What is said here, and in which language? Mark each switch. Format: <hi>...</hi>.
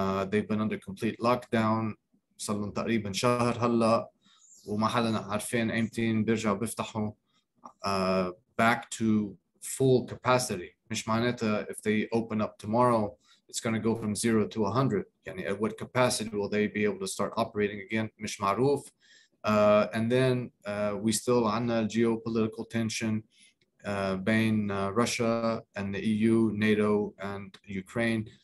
<en>They've been under complete lockdown.</en> <ar>صلن تقريبا شهر هلا وما حدنا عارفين ايمتين بيرجعوا بيفتحوا</ar> <en>back to full capacity.</en> <ar>مش معناته</ar> <en>if they open up tomorrow, it's going to go from 0 to 100.</en> <ar>يعني</ar> <en>at what capacity will they be able to start operating again?</en> <ar>مش معروف.</ar> <en>And then we still have geopolitical tension between Russia and the EU, NATO, and Ukraine.</en>